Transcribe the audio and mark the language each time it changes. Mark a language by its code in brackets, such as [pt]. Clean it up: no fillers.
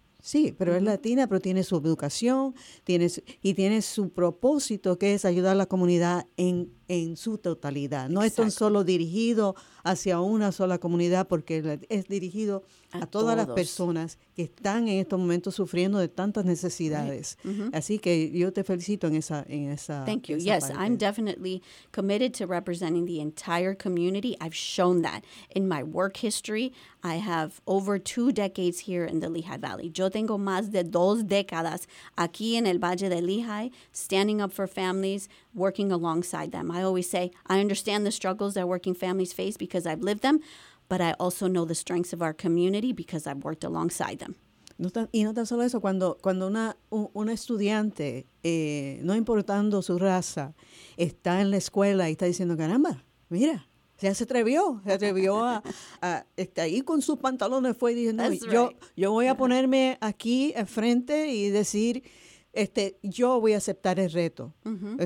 [es] Sí, pero uh-huh. es latina, pero tiene su educación, tiene su propósito, que es ayudar a la comunidad en su totalidad. No es tan solo dirigido hacia una sola comunidad, porque es dirigido a todas todos. Las personas que están en estos momentos sufriendo de tantas necesidades. Uh-huh. Así que yo te felicito en esa [en] Thank you. Yes, parte. I'm definitely committed to representing the entire community. I've shown that in my work history. I have over 2 decades here in the Lehigh Valley. [es] Yo tengo más de 2 décadas aquí en el Valle de Lehigh, [en] standing up for families, working alongside them. I always say, I understand the struggles that working families face because I've lived them, but I also know the strengths of our community because I've worked alongside them. [es] Y no tan solo eso, cuando una estudiante, no importando su raza, está en la escuela y está diciendo, caramba, mira, ya se atrevió a ir con sus pantalones, fue y dijo, no, yo voy a ponerme aquí enfrente y decir, yo voy a aceptar el reto. Uh-huh.